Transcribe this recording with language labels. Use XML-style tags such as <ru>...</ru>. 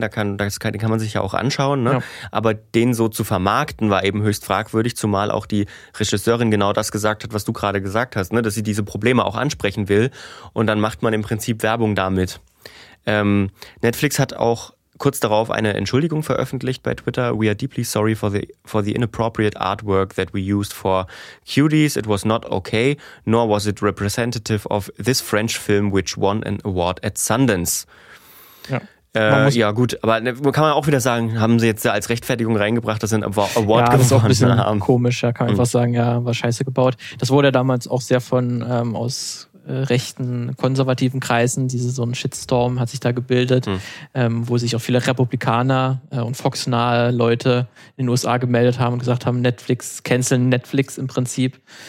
<de>Das kann man sich ja auch anschauen. Ne? Ja. Aber den so zu vermarkten war eben höchst fragwürdig, zumal auch die Regisseurin genau das gesagt hat, was du gerade gesagt hast, ne? Dass sie diese Probleme auch ansprechen will. Und dann macht man im Prinzip Werbung damit. Netflix hat auch kurz darauf eine Entschuldigung veröffentlicht bei Twitter.</de> <en>We are deeply sorry for the inappropriate artwork that we used for Cuties. It was not okay, nor was it representative of this French film, which won an award at Sundance.</en> <de>Ja, gut. Aber kann man auch wieder sagen, haben sie jetzt als Rechtfertigung reingebracht, dass sie einen Award gewonnen haben. Ja, das ist auch ein bisschen haben. Komisch. Da kann man einfach sagen, ja, war scheiße gebaut. Das wurde damals auch sehr von aus rechten, konservativen Kreisen, so ein Shitstorm hat sich da gebildet, wo sich auch viele Republikaner und Fox-nahe Leute in den USA gemeldet haben und gesagt haben, Netflix, canceln Netflix im Prinzip.</de>